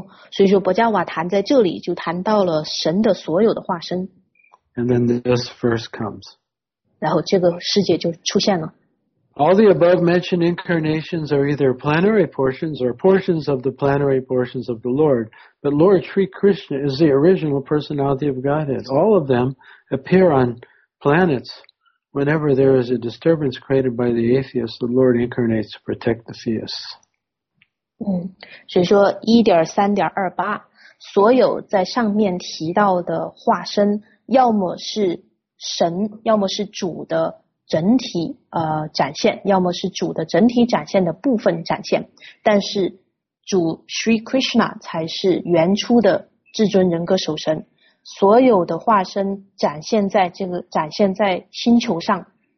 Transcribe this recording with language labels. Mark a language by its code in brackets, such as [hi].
[zh] 所以说薄伽瓦坛在这里就谈到了神的所有的化身。 [en] And then this verse comes. [zh] 然后这个世界就出现了。 [en] All the above mentioned incarnations are either planetary portions or portions of the planetary portions of the Lord. But Lord Sri Krishna is the original personality of Godhead. All of them appear on planets. Whenever there is a disturbance created by the atheists, the Lord incarnates to protect the theists. [zh] 所以说 1.3.28, 所有在上面提到的化身要么是神，要么是主的整体展现，要么是主的整体展现的部分展现，但是主 Sri Krishna 才是原初的至尊人格首身，所有的化身展现在星球上。